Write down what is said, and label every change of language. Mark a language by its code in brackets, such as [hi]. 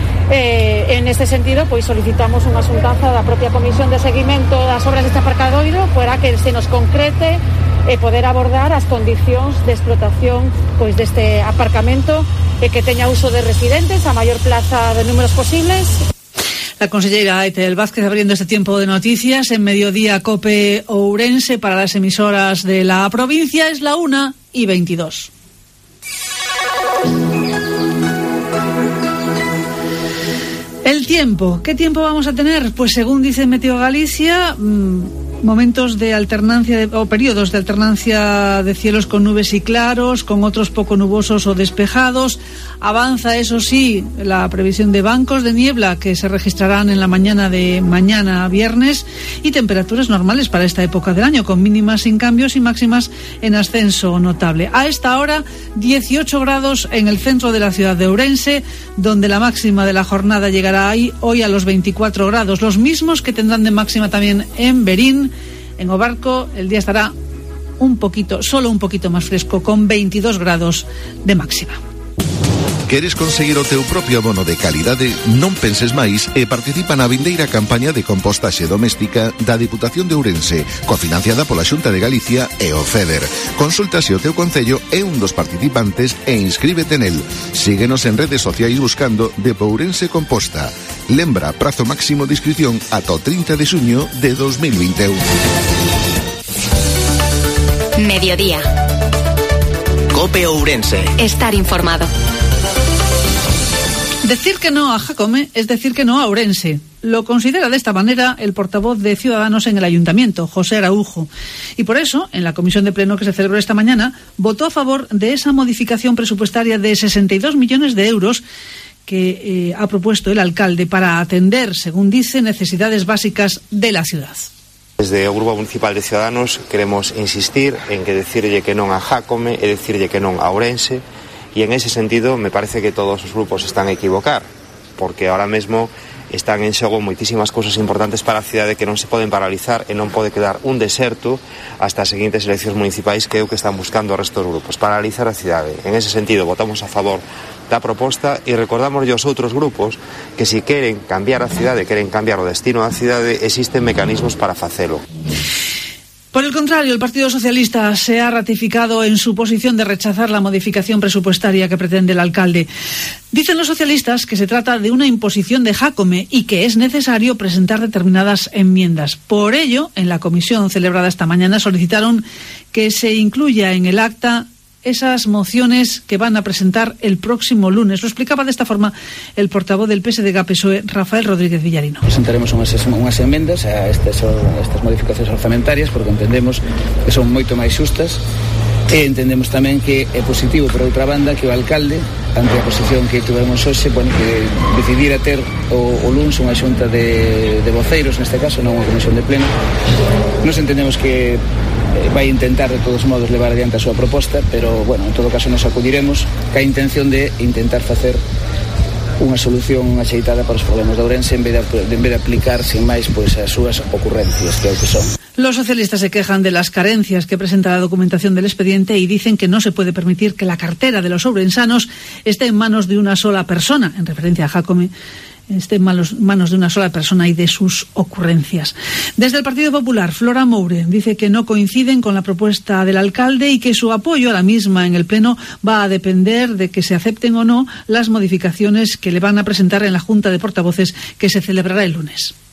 [gl] En este sentido, pois solicitamos unha xuntanza da propia comisión de seguimento das obras deste aparcadoiro, para que se nos concrete poder abordar as condicións de explotación, pois, deste aparcamento, que teña uso de residentes, a maior plaza de números posibles. [es] La consellera Ethel Vázquez abriendo este tiempo de noticias en Mediodía COPE Ourense para las emisoras de la provincia. Es la 1:22. El tiempo. ¿Qué tiempo vamos a tener? Pues según dice Meteo Galicia, momentos de alternancia o periodos de alternancia de cielos con nubes y claros, con otros poco nubosos o despejados. Avanza, eso sí, la previsión de bancos de niebla que se registrarán en la mañana de mañana viernes, y temperaturas normales para esta época del año, con mínimas sin cambios y máximas en ascenso notable. A esta hora, 18 grados en el centro de la ciudad de Ourense, donde la máxima de la jornada llegará hoy a los 24 grados, los mismos que tendrán de máxima también en Verín. En Obarco el día estará un poquito, solo un poquito más fresco, con 22 grados de máxima. [gl] Queres conseguir o teu propio abono de calidade? Non penses máis e participa na vindeira campaña de compostaxe doméstica da Deputación de Ourense, cofinanciada pola Xunta de Galicia e o FEDER. Consulta se o teu concello é un dos participantes e inscríbete nel. Síguenos en redes sociais buscando Depo Ourense Composta. Lembra, prazo máximo de inscripción ata o 30 de xuño de 2021. [es] Mediodía. COPE Ourense. Estar informado. Decir que no a Jácome es decir que no a Ourense. Lo considera de esta manera el portavoz de Ciudadanos en el Ayuntamiento, José Araújo. Y por eso, en la comisión de pleno que se celebró esta mañana, votó a favor de esa modificación presupuestaria de 62 millones de euros que ha propuesto el alcalde para atender, según dice, necesidades básicas de la ciudad. Desde o Grupo Municipal de Ciudadanos queremos insistir en que decirle que no a Jácome es decirle que no a Ourense. Y en ese sentido me parece que todos los grupos están a equivocar, porque ahora mismo [gl] están en xogo muchísimas cosas importantes para a cidade que non se poden paralizar e non pode quedar un deserto hasta as seguintes eleccións municipais, que é o que están buscando o resto dos grupos, paralizar a cidade. En ese sentido, votamos a favor da proposta e recordamos aos outros grupos que si queren cambiar a cidade, queren cambiar o destino da cidade, existen mecanismos para facelo. [es] Por el contrario, el Partido Socialista se ha ratificado en su posición de rechazar la modificación presupuestaria que pretende el alcalde. Dicen los socialistas que se trata de una imposición de Jácome y que es necesario presentar determinadas enmiendas. Por ello, en la comisión celebrada esta mañana, solicitaron que se incluya en el acta esas mociones que van a presentar el próximo lunes. Lo explicaba de esta forma el portavoz del PSDG-PSOE, Rafael Rodríguez Villarino. [gl] Presentaremos unhas enmendas a estas modificaciones orzamentarias, porque entendemos que son moito máis xustas, E entendemos tamén que é positivo, por outra banda, que o alcalde, ante a posición que tivemos hoxe, bueno, que decidira ter o luns unha xunta de voceiros, neste caso, non unha comisión de pleno. Nos entendemos que vai intentar de todos modos levar adiante a súa proposta, pero bueno, en todo caso nos acudiremos ca intención de intentar facer unha solución axeitada para os problemas de Ourense en vez de aplicar sin máis pois as súas ocurrencias, que é o que son. [es] Los socialistas se quejan de las carencias que presenta la documentación del expediente y dicen que no se puede permitir que la cartera de los ourensanos esté en manos de una sola persona, en referencia a Jácome, esté en manos de una sola persona y de sus ocurrencias. Desde el Partido Popular, Flora Moure dice que no coinciden con la propuesta del alcalde y que su apoyo a la misma en el Pleno va a depender de que se acepten o no las modificaciones que le van a presentar en la Junta de Portavoces que se celebrará el lunes.